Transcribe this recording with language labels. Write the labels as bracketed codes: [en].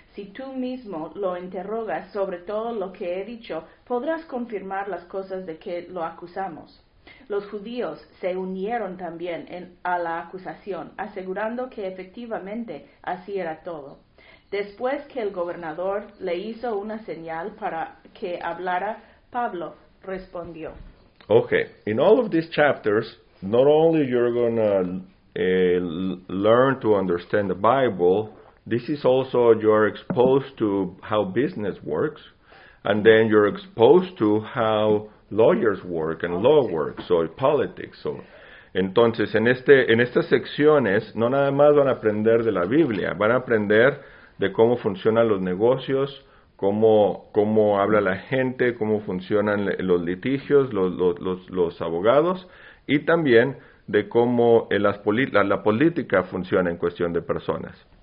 [es] Si tú mismo lo interrogas sobre todo lo que he dicho, podrás confirmar las cosas de que lo acusamos. Los judíos se unieron también a la acusación, asegurando que efectivamente así era todo. Después que el gobernador le hizo una señal para que hablara, Pablo respondió. [en] Okay, in all of these chapters, not only you're going to learn to understand the Bible, this is also you're exposed to how business works, and then you're exposed to how lawyers work and law works, so politics. [es] So, entonces, en estas secciones, no nada más van a aprender de la Biblia, van a aprender de cómo funcionan los negocios, cómo habla la gente, cómo funcionan los litigios, los abogados, y también de cómo la política funciona en cuestión de personas.